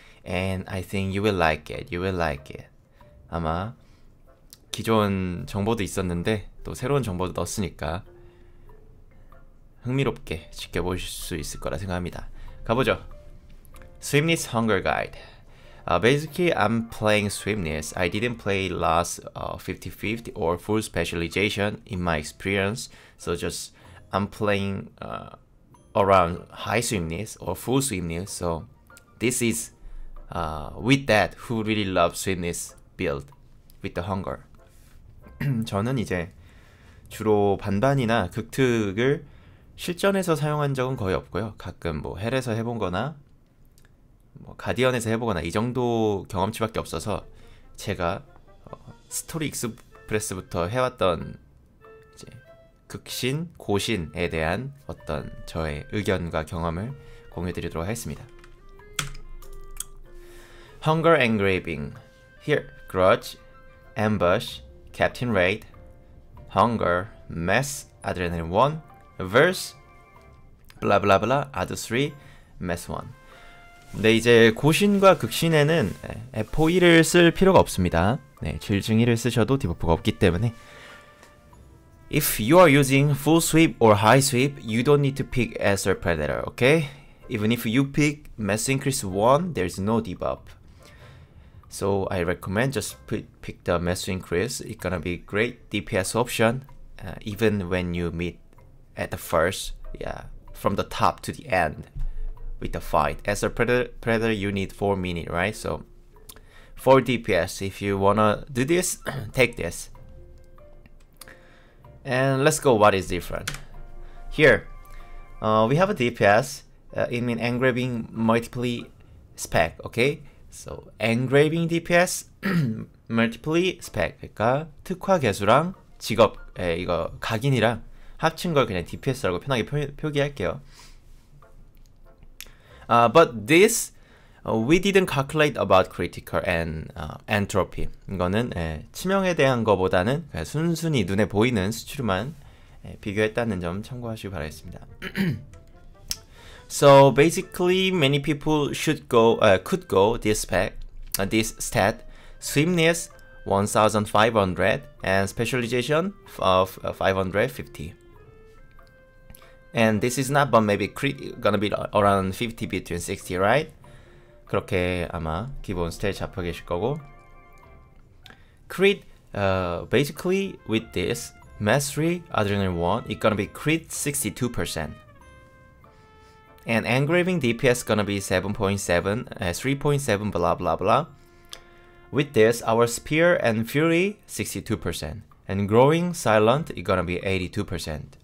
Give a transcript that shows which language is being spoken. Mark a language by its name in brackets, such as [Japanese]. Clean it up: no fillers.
[English] And I think you will like it. You will like it. [Korean] 아마 기존 정보도 있었는데 또 새로운 정보도 넣었으니까 흥미롭게 지켜보실 수 있을 거라 생각합니다. 가보죠. [English] Swiftness Hunger Guide. Basically, I'm playing Swiftness. I didn't play last 50-50 or full specialization in my experience. So just I'm playing around high Swiftness or full Swiftness. So this is with that, who really loves Swiftness build with the hunger. [Korean] 저는 이제 주로 반반이나 극특을 실전에서 사용한 적은 거의 없고요. 가끔 뭐 헬에서 해본거나 뭐 가디언에서 해보거나 이 정도 경험치밖에 없어서 제가 스토리 익스프레스부터 해왔던 이제 극신, 고신에 대한 어떤 저의 의견과 경험을 공유드리도록 하겠습니다. [English] Hunger Engraving. Here, Grudge, Ambush, Captain Raid, Hunger, Mass, Adrenaline 1, Verse, blah blah blah, Add 3, Mass 1. [Korean] 네, 이제 고신과 극신에는 FO1을 쓸 필요가 없습니다. 네, 질증이를 쓰셔도 디버프가 없기 때문에. [English] If you are using full sweep or high sweep, you don't need to pick as a predator, okay? Even if you pick Mass Increase 1, there's no debuff. So I recommend just pick the Mass Increase. It's gonna be great DPS option, even when you meet at the first, yeah, from the top to the end with the fight. As a predator, you need 4 minute, right? So 4 DPS, if you wanna do this, take this. And let's go, what is different? Here, we have a DPS, it means engraving multiply spec, okay? So, engraving DPS, multiply spec. [Korean] 그러니까 특화 개수랑 직업, 에, 이거 각인이랑 합친 걸 그냥 DPS라고 편하게 표기할게요. [English] But this, we didn't calculate about critical and entropy. [Korean] 이거는 에, 치명에 대한 거보다는 순순히 눈에 보이는 수치로만 에, 비교했다는 점 참고하시기 바라겠습니다. [English] So basically, many people should go, could go this spec, this stat, swiftness 1,500 and specialization of 550. And this is not, but maybe gonna be around 50 between 60, right? [Korean] 그렇게 아마 기본 스탯 잡혀 계실 거고. [English] Crit, basically with this mastery adrenaline 1, it's gonna be crit 62%. And engraving DPS gonna be 3.7 blah blah blah. With this, our spear and fury 62%, and growing silent it gonna be 82%.